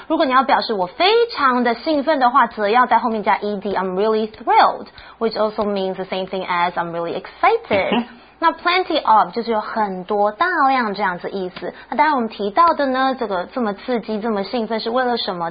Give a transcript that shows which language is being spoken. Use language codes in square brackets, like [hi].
[zh] 如果你要表示我非常的兴奋的话，则要在后面加 ed. [en] I'm really thrilled, which also means the same thing as I'm really excited. [zh] 那 plenty of 就是有很多大量这样子意思。那当然我们提到的呢，这个这么刺激这么兴奋是为了什么？